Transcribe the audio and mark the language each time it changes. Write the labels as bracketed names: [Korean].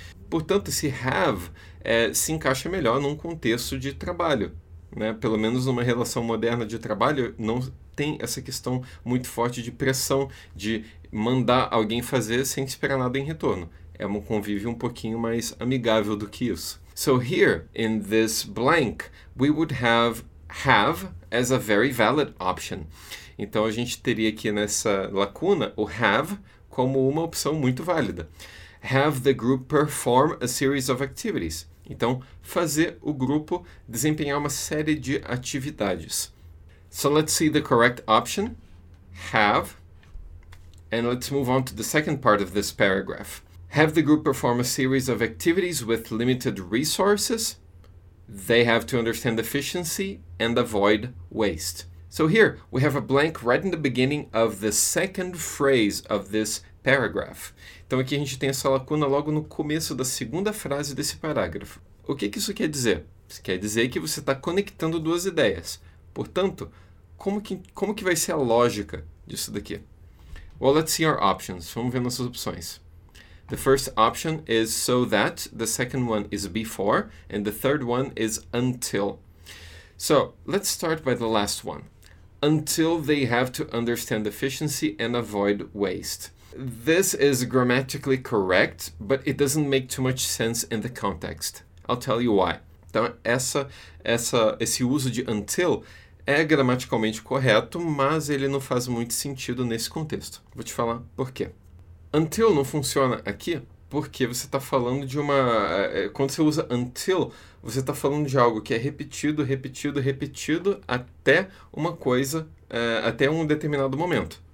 [Portuguese] Portanto, esse have se encaixa melhor num contexto de trabalho, né? Pelo menos numa relação moderna de trabalho, não tem essa questão muito forte de pressão, de mandar alguém fazer sem esperar nada em retorno. É um convívio um pouquinho mais amigável do que isso. [English] So here, in this blank, we would have as a very valid option. [Portuguese] Então, a gente teria aqui nessa lacuna o have como uma opção muito válida. [English] Have the group perform a series of activities. [Portuguese] Então, fazer o grupo desempenhar uma série de atividades. [English] So, let's see the correct option, have. And let's move on to the second part of this paragraph. Have the group perform a series of activities with limited resources. They have to understand efficiency and avoid waste. So here, we have a blank right in the beginning of the second phrase of this paragraph. [Portuguese] Então aqui a gente tem essa lacuna logo no começo da segunda frase desse parágrafo. O que que isso quer dizer? Isso quer dizer que você está conectando duas ideias. Portanto, como que vai ser a lógica disso daqui? [English] Well, let's see our options. [Portuguese] Vamos ver nossas opções. [English] The first option is so that, the second one is before, and the third one is until. So, let's start by the last one. Until they have to understand efficiency and avoid waste. This is grammatically correct, but it doesn't make too much sense in the context. I'll tell you why. [Portuguese] Então, esse uso de until é gramaticalmente correto, mas ele não faz muito sentido nesse contexto. Vou te falar por quê. Until não funciona aqui porque você está falando de uma... Quando você usa until, você está falando de algo que é repetido, repetido, repetido até uma coisa, até um determinado momento.